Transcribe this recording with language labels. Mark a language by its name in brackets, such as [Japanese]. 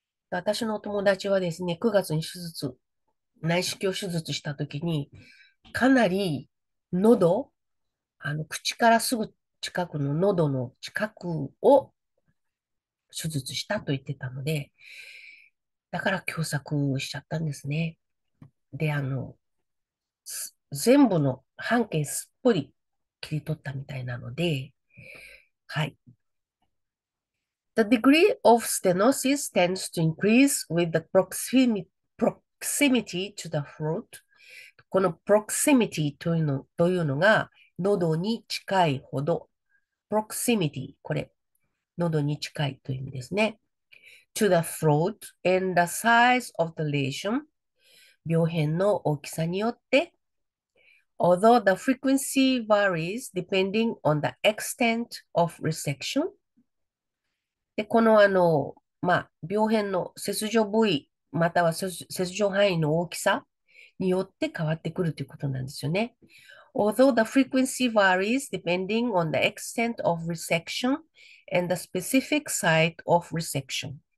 [Japanese] 私の友達はですね、9月に手術、内視鏡手術したときに、かなり喉、口からすぐ近くの喉の近くを手術したと言ってたので、だから狭窄しちゃったんですね。で、全部の半径すっぽり切り取ったみたいなので、はい。 [English] The degree of stenosis tends to increase with the proximity to the throat. [Japanese] この proximity というのが喉に近いほど。 proximity、これ。喉に近いという意味ですね。 [English] to the throat and the size of the lesion。 [Japanese] 病変の大きさによって。 [English] although the frequency varies depending on the extent of resection。 [Japanese] で、このまあ、病変の切除部位、または切除範囲の大きさによって変わってくるということなんですよね。 [English] Although the frequency varies depending on the extent of resection and the specific site of resection。